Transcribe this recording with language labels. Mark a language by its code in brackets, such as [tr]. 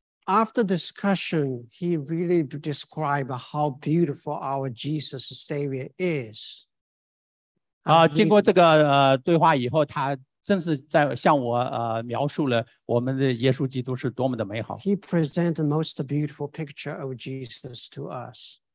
[en] After discussion, he really described how beautiful our Jesus Savior is. [zh] 经过这个对话以后，他正是在向我描述了我们的耶稣基督是多么的美好。 [en] He presented the most beautiful picture of Jesus to us.